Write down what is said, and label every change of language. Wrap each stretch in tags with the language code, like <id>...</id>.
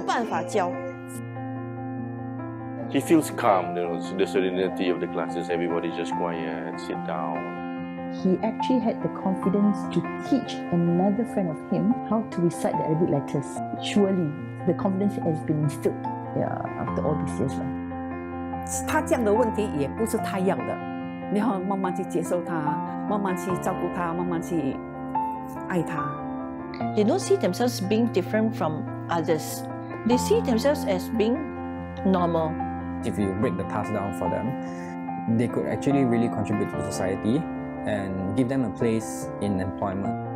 <zh>他们不是没有用，他们也有他们能用的地方。为什么？为什么要让他们这样子过一辈子？他们可以学啊，只要你肯教，只要你懂得教，有办法教。</zh> <en>He feels calm. You know, the serenity of the classes. Everybody just quiet, sit down. He actually had the confidence to teach another friend of him how to recite the Arabic letters. Surely, the confidence has been instilled. Yeah, after all these years.</en> <zh>他这样的问题也不是他要的，你要慢慢去接受他，慢慢去照顾他，慢慢去爱他。</zh> <en>They don't see themselves being different from others. They see themselves as being normal. If you break the task down for them, they could actually really contribute to society and give them a place in employment.</en>